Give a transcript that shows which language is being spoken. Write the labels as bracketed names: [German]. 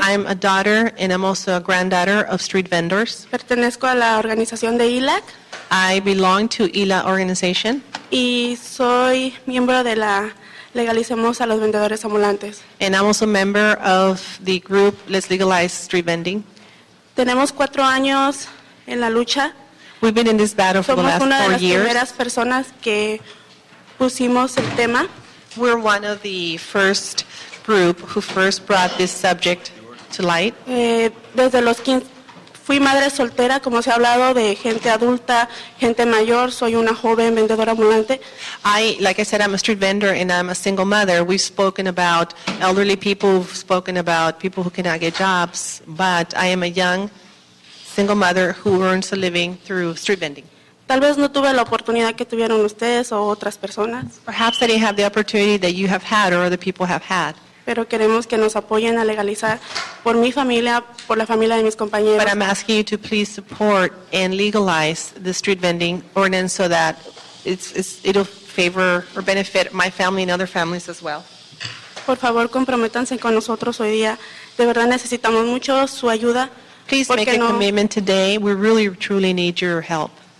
[English] I'm a daughter and I'm also a granddaughter of street vendors. [Spanish] Pertenezco a la organización de ILAC. [English] I belong to ILA organization. [Spanish] Y soy miembro de la Legalicemos a los Vendedores Ambulantes. [English] And I'm also a member of the group Let's Legalize Street Vending. [Spanish] Tenemos 4 años en la lucha. [English] We've been in this battle for [Spanish] Somos [English] the last 4 years. [Spanish] Somos una de las primeras personas que pusimos el tema. [English] We're one of the first group who first brought this subject to light. [Spanish] Desde los 15, fui madre soltera, como se ha hablado, de gente adulta, gente mayor. Soy una joven vendedora ambulante. [English] I, like I said, I'm a street vendor and I'm a single mother. We've spoken about elderly people, we've spoken about people who cannot get jobs, but I am a young single mother who earns a living through street vending. [Spanish] Tal vez no tuve la oportunidad que tuvieron ustedes o otras personas. [English] Perhaps I didn't have the opportunity that you have had or other people have had. [Spanish] Pero queremos que nos apoyen a legalizar por mi familia, por la familia de mis compañeros. [English] But I'm asking you to please support and legalize the street vending ordinance so that it'll favor or benefit my family and other families as well. [Spanish] Por favor, comprométanse con nosotros hoy día. De verdad necesitamos mucho su ayuda. [English] Please make a commitment today. We really, truly need your help.